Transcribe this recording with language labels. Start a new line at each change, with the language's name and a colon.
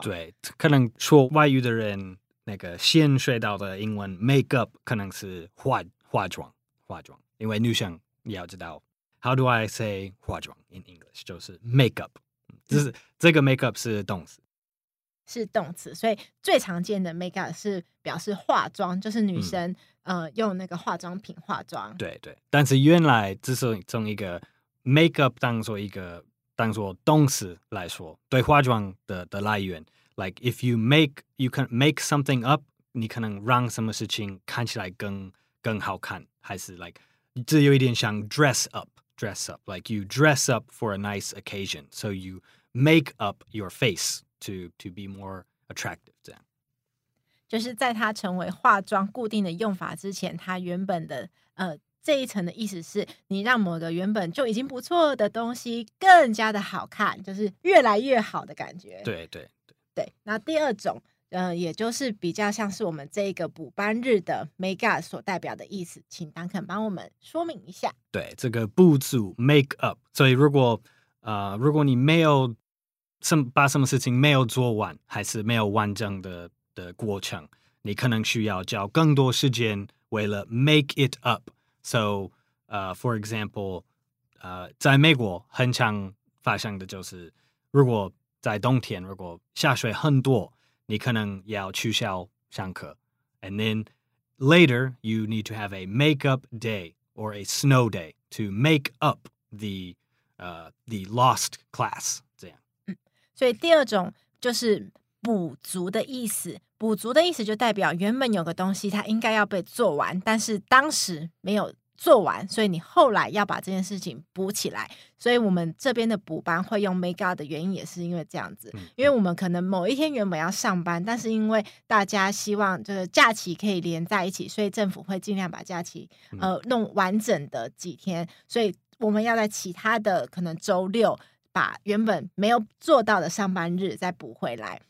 Chinese: 对，可能说外语的人那个先学到的英文 make up 可能是 化妆，因为女生也要知道
English: how do I say
Chinese: 化妆 in English 就是 make up， 这个 make up 是动词，是动词，所以最常见的 make up 是表示化妆，就是女生用那个化妆品化妆，对对，但是原来只是从一个
English: make up
Chinese: 当做动词来说，对化妆 的来源
English: ，like if you make you can make something up，
Chinese: 你可能让什么事情看起来更好看，还是
English: like
Chinese: 这有一点像
English: dress up， like you dress up for a nice occasion， so you make up your face to be more attractive。
Chinese: 这样，就是在它成为化妆固定的用法之前，它原本的这一层的意思是你让某个原本就已经不错的东西更加的好看，就是越来越好的感觉。对对对对。那第二种也就是比较像是我们这个补班日的 make up 所代表的意思，请Duncan帮我们说明一下。对，这个补助 make up， 所以如果你没有把什么事情没有做完，还是没有完整的过程，你可能需要交更多时间为了
English: make it up。 So, for example,
Chinese: 在美国很常发生的就是，如果在冬天，如果下雪很多，你可能要取消上课。
English: And then later, you need to have a makeup day or a snow day to make up the lost class.
Chinese: 这样。所以第二种就是补足的意思。补足的意思就代表原本有个东西它应该要被做完，但是当时没有做完，所以你后来要把这件事情补起来。所以我们这边的补班会用 make up 的原因也是因为这样子，因为我们可能某一天原本要上班，但是因为大家希望就是假期可以连在一起，所以政府会尽量把假期弄完整的几天，所以我们要在其他的可能周六把原本没有做到的上班日再补回来。